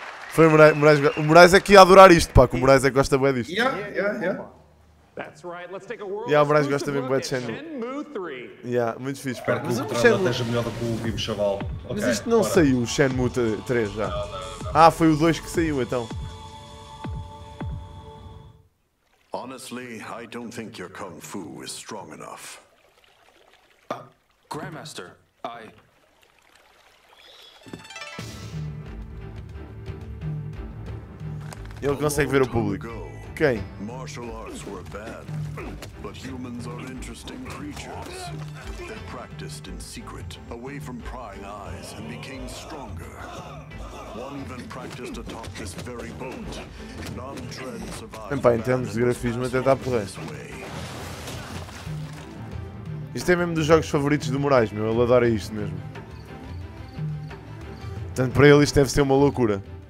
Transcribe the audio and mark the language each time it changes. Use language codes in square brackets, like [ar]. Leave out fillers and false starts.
[pt] Foi o Moraes é que ia adorar isto, pá, que o Moraes é que gosta bem disto. [en] Yeah. That's right. Let's take a world. Yeah, [pt] Moraes gosta bem de Shenmue. Yeah, muito fixe. Espero que o Shenmue esteja melhor do que o último chaval. Okay, mas isto não saiu, o Shenmue 3 já. Não. Ah, foi o 2 que saiu então. [en] Honestly, I don't think your kung fu is strong enough. Grandmaster, I... [pt] Ele consegue ver o público. Quem? [en] Martial arts were bad, but humans are interesting creatures. They practiced in secret, away from prying eyes, and became stronger. One even practiced atop this very boat. Non-tread survived. [pt] Pá, em termos de grafismo, até dá porra. Isto é mesmo dos jogos favoritos do Moraes, meu. Ele adora isto mesmo. Portanto, para ele, isto deve ser uma loucura.